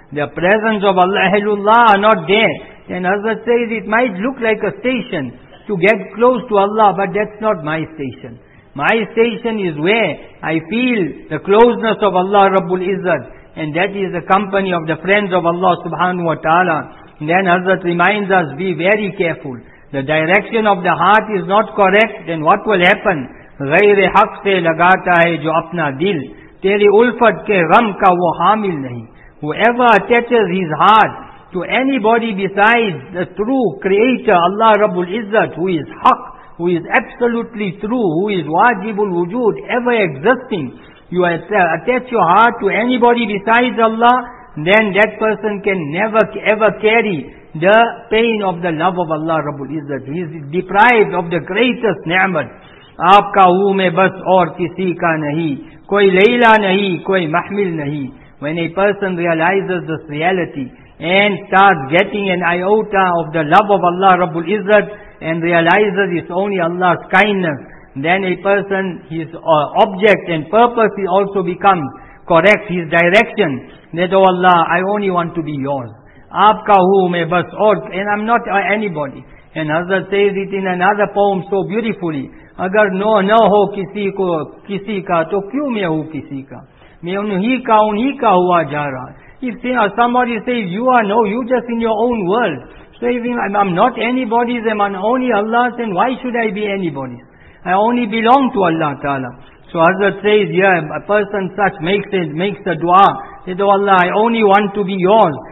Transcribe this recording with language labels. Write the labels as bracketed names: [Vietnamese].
[English] The presence of Allah, Ahlullah, are not there. Then Hazrat says it might look like a station to get close to Allah, but that's not my station. My station is where I feel the closeness of Allah Rabbul Izzat, and that is the company of the friends of Allah subhanahu wa ta'ala. Then Hazrat reminds us, be very careful. The direction of the heart is not correct, then what will happen? [Urdu] غیرِ حق سے لگاتا ہے جو اپنا دل تیرے الفت کے غم کا وہ حامل نہیں. [English] Whoever attaches his heart to anybody besides the true creator, Allah Rabbul Izzat, who is Haq, who is absolutely true, who is wajibul wujud, ever existing, you attach your heart to anybody besides Allah, then that person can never ever carry the pain of the love of Allah Rabbul Izzat. He is deprived of the greatest ni'mat. [Urdu] آپ کا ہو میں بس اور کسی کا نہیں, کوئی لیلہ نہیں, کوئی محمل نہیں. [English] When a person realizes this reality and starts getting an iota of the love of Allah Rabbul Izzat and realizes it's only Allah's kindness, then a person, his object and purpose also becomes correct, his direction. That, oh Allah, I only want to be yours. [Urdu] آپ کا ہو میں بس اور, [English] and I'm not anybody. And Hazrat says it in another poem so beautifully. [Urdu] اگر نو نہ ہو کسی کو کسی کا تو کیوں میں ہوں کسی کا, میں انہی کا ہوا جا رہا. [English] If somebody says you are no, you just in your own world, saying I'm not anybody's, I'm only Allah's, then why should I be anybody's? I only belong to Allah Ta'ala. So Hazrat says, yeah, a person such makes a dua, says, oh Allah, I only want to be yours.